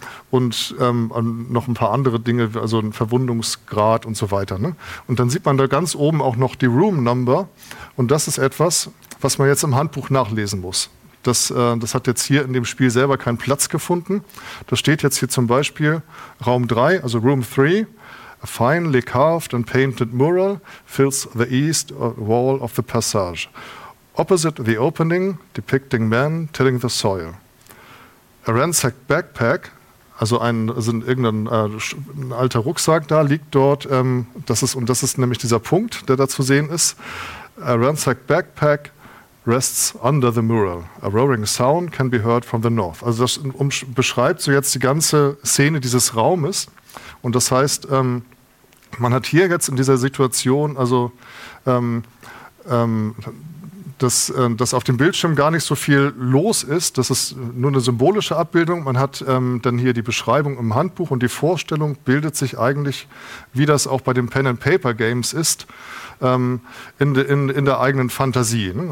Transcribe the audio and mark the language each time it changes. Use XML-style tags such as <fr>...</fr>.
<de>Und noch ein paar andere Dinge, also ein Verwundungsgrad und so weiter. Ne? Und dann sieht man da ganz oben auch noch die Room Number und das ist etwas, was man jetzt im Handbuch nachlesen muss. Das hat jetzt hier in dem Spiel selber keinen Platz gefunden. Da steht jetzt hier zum Beispiel Raum 3, also Room 3.</de> <en>A finely carved and painted mural fills the east wall of the passage. Opposite the opening, depicting men tilling the soil. A ransacked backpack,</en> <de>ein alter Rucksack da, liegt dort. Das ist nämlich dieser Punkt, der da zu sehen ist.</de> <en>A ransacked backpack rests under the mural. A roaring sound can be heard from the north.</en> <de>Also das beschreibt so jetzt die ganze Szene dieses Raumes. Und das heißt, man hat hier jetzt in dieser Situation, also dass auf dem Bildschirm gar nicht so viel los ist. Das ist nur eine symbolische Abbildung. Man hat dann hier die Beschreibung im Handbuch und die Vorstellung bildet sich eigentlich, wie das auch bei den Pen-and-Paper-Games ist, in der eigenen Fantasie. Ne?</de>